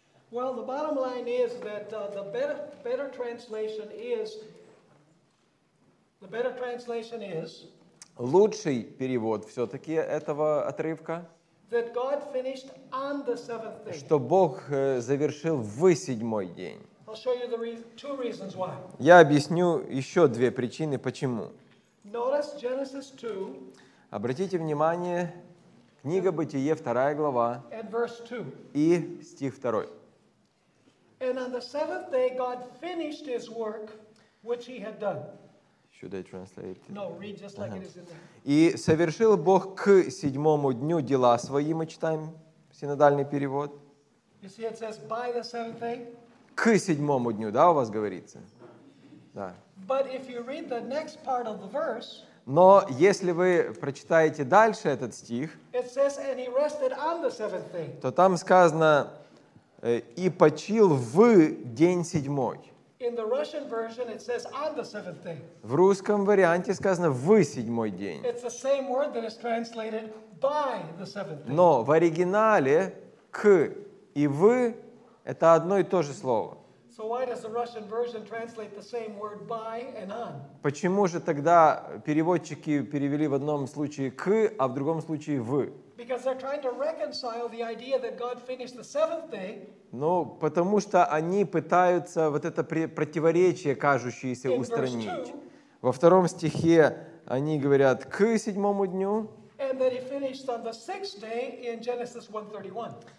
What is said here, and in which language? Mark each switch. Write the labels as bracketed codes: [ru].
[ru] Лучший перевод все-таки этого отрывка [en] that God finished on the seventh day. [ru] Что Бог завершил в седьмой день. [en] I'll show you the two reasons why. [ru] Я объясню еще две причины, почему. [en] Notice Genesis 2. [ru] Обратите внимание, книга Бытие, вторая глава, [en] and verse 2. [ru] И стих второй. [en] And on the seventh day God finished his work which he had done. Should I translate it? No, read just like it is in there. [ru] И совершил Бог к седьмому дню дела свои, мы читаем синодальный перевод. [en] You see, it says by the seventh day. [ru] К седьмому дню, да, у вас говорится? Да. [en] But if you read the next part of the verse, [ru] но если вы прочитаете дальше этот стих, [en] it says, and he rested on the seventh day. [ru] То там сказано, и почил в день седьмой. [en] In the Russian version, it says on the seventh day. [ru] В русском варианте сказано в седьмой день. [en] It's the same word that is translated by the seventh day. [ru] Но в оригинале к и в это одно и то же слово. [en] So why does the Russian version translate the same word by and on? [ru] Почему же тогда переводчики перевели в одном случае к, а в другом случае в? [en] Because they're trying to reconcile the idea that God finished the seventh day. [ru] Ну, потому что они пытаются вот это противоречие, кажущееся, устранить. Во втором стихе они говорят «к седьмому дню». [en] And that he finished on the sixth day in Genesis 1:31.